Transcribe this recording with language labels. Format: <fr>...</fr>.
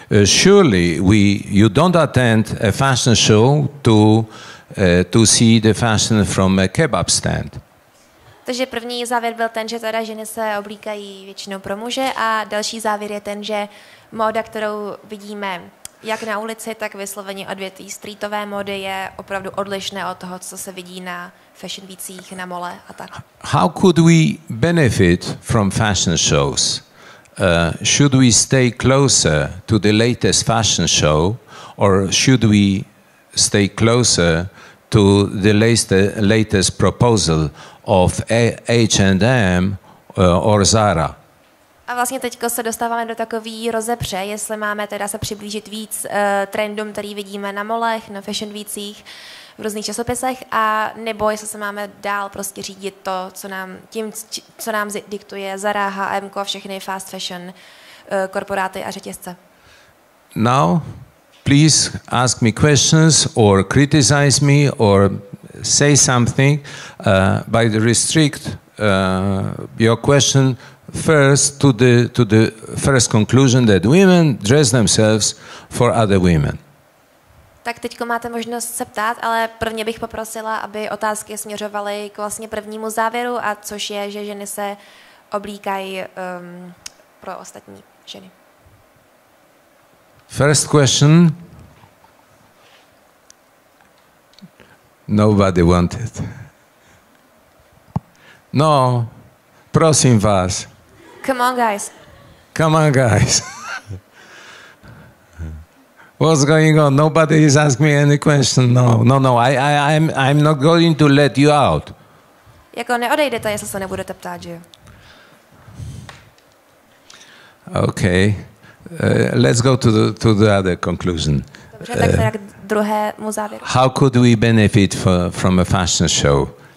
<en>Surely you don't attend a fashion show to see the fashion from a kebab stand.</en> <cs>Takže první závěr byl ten, že teda ženy se oblíkají většinou pro muže a další závěr je ten, že móda, kterou vidíme jak na ulici, tak vysloveně odvětví streetové mody je opravdu odlišné od toho, co se vidí na fashion weekích, na mole a tak.</cs> <en>How could we benefit from fashion shows? Should we stay closer to the latest fashion show or should we stay closer to the latest proposal of H&M or Zara?</en> <cs>A vlastně teďko se dostáváme do takový rozepře, jestli máme teda se přiblížit víc trendům, který vidíme na molech, na fashion weekích, v různých časopisech, a nebo jestli se máme dál prostě řídit to, co nám tím, co nám diktuje Zara, H&M a všechny fast fashion korporáty a řetězce.</cs> <en>Now, please ask me questions or criticize me or say something by the restrict your question first to the first conclusion that women dress themselves for other women.</en> <cs>Tak teďko máte možnost se ptát, ale prvně bych poprosila, aby otázky směřovaly k vlastně prvnímu závěru, a což je, že ženy se oblíkají pro ostatní ženy.</cs> <en>First question. Nobody wanted.</en> <cs>No, prosím vás.</cs> <en>Come on, guys. Come on, guys. What's going on? Nobody is asking me any question. No. I'm not going to let you out.</en> <cs>Jako neodejdete, jestli se nebudete ptát, že?</cs> <en>Okay. Let's go to the other conclusion.</en> <cs>Dobře, tak teda k druhému závěru.</cs> <en>How could we benefit from a fashion show?</en>